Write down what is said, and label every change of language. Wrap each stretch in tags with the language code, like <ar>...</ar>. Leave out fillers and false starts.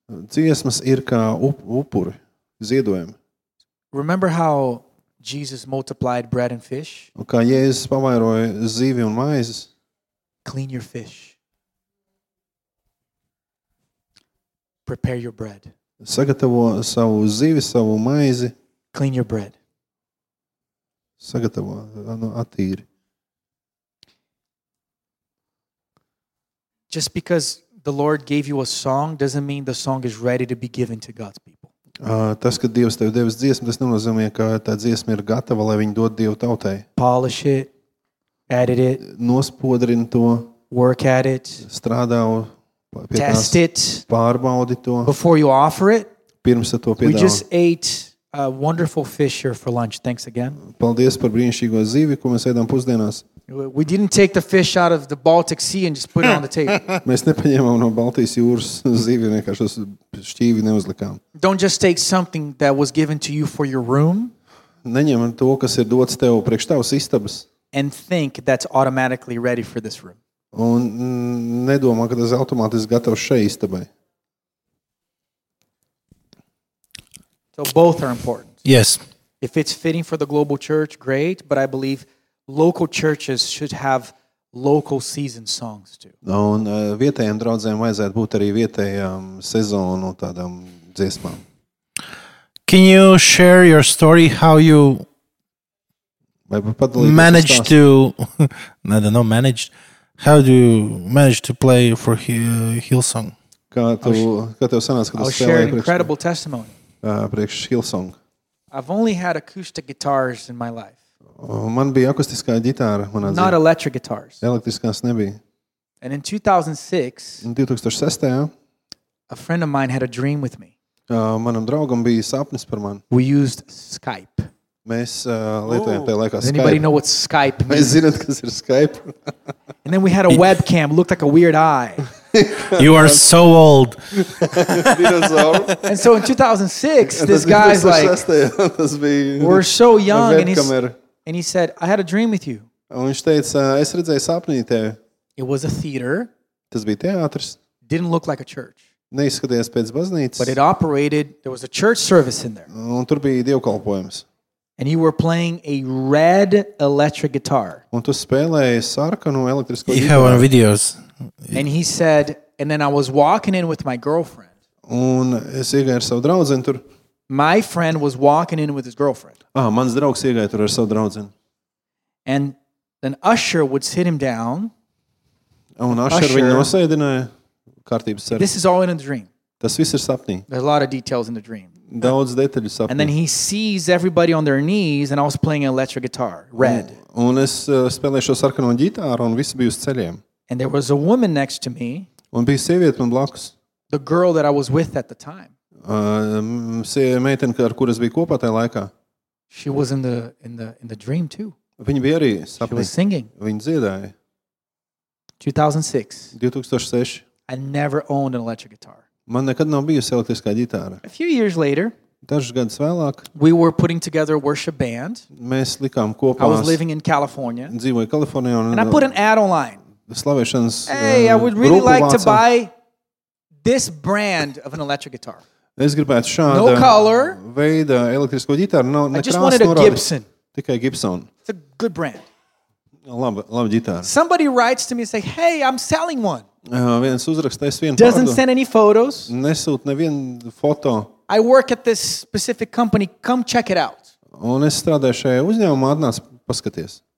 <lv>Dziesmas ir kā upuri, ziedojumi.</lv> <en>Remember how Jesus multiplied bread and fish?</en> <lv>Un kā Jēzus pavairoja zīvi un maizes?</lv> <en>Clean your fish. Prepare your bread.</en> <lv>Sagatavo savu zīvi, savu maizi.</lv> <en>Clean your bread.</en> <lv>Sagatavo, attīri.</lv> <en>Just because the Lord gave you a song doesn't mean the song is ready to be given to God's people.</en> <lv>Tas, kad Dievs tev devis dziesmu, tas nenozīmē, ka tā dziesma ir gatava, lai viņa dot Dievu tautai.</lv> <en>Polish it, edit it.</en> <lv>Nospodrin to.</lv> <en>Work at it.</en> <lv>Strādā pie tās.</lv> <en>Test it.</en> <lv>Pārbaudi to.</lv> <en>Before you offer it.</en> <lv>Pirms to piedāvā.</lv> <en>We just ate a wonderful fish here for lunch. Thanks again.</en> <lv>Paldies par brīnišķīgo zīvi, ko mēs ēdām pusdienās.</lv> <en>We didn't take the fish out of the Baltic Sea and just put it on the table.</en> <lv>Mēs nepaņēmām no Baltijas jūras zīvi, vienkārši tos šķīvi neuzlikām.</lv> <en>Don't just take something that was given to you for your room.</en> <lv>Neņem to, kas ir dots tev priekš tavas istabas.</lv> <en>And think that's automatically ready for this room.</en> <lv>Un nedomā, ka tas automātiski gatavs šai istabai.</lv> <en>So both are important. Yes. If it's fitting for the global church, great, but I believe local churches should have local season songs too.</en> <lv>Un vietējiem draudzēm vajadzētu būt arī vietējām sezonu tādām dziesmām.</lv> <en>Can you share your story how you managed to managed how do you manage to play for Hillsong?</en> <lv>Kā tev sanāca, ka tu spēlēji priekš</lv> <en>incredible testimony.</en> <lv>Priekš Hillsong.</lv> <en>I've only had acoustic guitars in my life.</en> <lv>Man bija akustiskā ģitāra, manā dzīvē.</lv> <en>Not electric guitars.</en> <lv>Elektriskās nebija.</lv> <en>And in 2006,</en> <lv>2006.</lv> <en>A friend of mine had a dream with me.</en> <lv>Manam draugam bija sapnis par mani.</lv> <en>We used Skype.</en> <lv>Mēs lietojām tajā laikā Skype.</lv> <en>Anybody know what Skype means?</en> <lv>Mēs zinām, kas ir Skype.</lv> <en>And then we had a webcam, looked like a weird eye. You are so old. And so in 2006, this guy's like, we're so young, and he said, I had a dream with you.</en> <lv>Viņš teica, es redzēju sapni tev.</lv> <en>It was a theater.</en> <lv>Tas bija teātris.</lv> <en>Didn't look like a church.</en> <lv>Neizskatījās pēc baznīcas.</lv> <en>But it operated, there was a church service in there.</en> <lv>Un tur bija dievkalpojums.</lv> <en>And you were playing a red electric guitar.</en> <lv>Un tu spēlēji sarkanu elektrisko gitāru.</lv> <en>You have on videos. And he said, and then I was walking in with my girlfriend.</en> <lv>Un es iegāju ar savu draudzeni tur.</lv> <en>My friend was walking in with his girlfriend.</en> <lv>Ah, mans draugs iegāja tur ar savu draudzeni.</lv> <en>And then usher would sit him down.</en> <lv>Un usher viņu nosēdināja kārtības sarkanu.</lv> <en>This is all in a dream.</en> <lv>Tas viss ir sapnī.</lv> <en>There's a lot of details in the dream.</en> <lv>Daudz detaļu sapnī.</lv> <en>And then he sees everybody on their knees and I was playing an electric guitar, red.</en> <lv>Un es spēlēju šo sarkano ģitāru un visi bija uz ceļiem.</lv> <en>And there was a woman next to me.</en> <lv>Un bija sieviete man blakus.</lv> <en>The girl that I was with at the time.</en> <lv>Meitene, ar kuras biju kopā tajā laikā.</lv> <en>She was in the dream too.</en> <lv>Viņa bija arī sapnī.</lv> <en>She was singing.</en> <lv>Viņa dziedāja.</lv> <en>2006. I never owned an electric guitar.</en> <lv>Man nekad nav bijusi elektriskā ģitāra.</lv> <en>A few years later.</en> <lv>Dažus gadus vēlāk.</lv> <en>We were putting together a worship band.</en> <lv>Mēs likām kopā.</lv> <en>I was living in California.</en> <lv>Dzīvoju Kalifornijā.</lv> <en>And I put an ad online.</en> <lv>Slavēšanas</lv> <en>Hey, I would really like to buy this brand of an electric guitar.</en> <lv>Es gribētu šādu</lv> <en>no color,</en> <lv>veidu elektrisko ģitāru.</lv> <en>No, I just wanted a Gibson.</en> <lv>Tikai Gibson.</lv> <en>It's a good brand.</en> <lv>Laba ģitāra.</lv> <en>Somebody writes to me and say, hey, I'm selling one.</en> <lv>Viens uzraksta, es vienu</lv> <en>Doesn't send any photos.</en> <lv>Nesūt nevienu foto.</lv> <en>I work at this specific company. Come check it out.</en> <lv>Un es strādāju šajā uzņēmumā. Atnāc paskaties.</lv>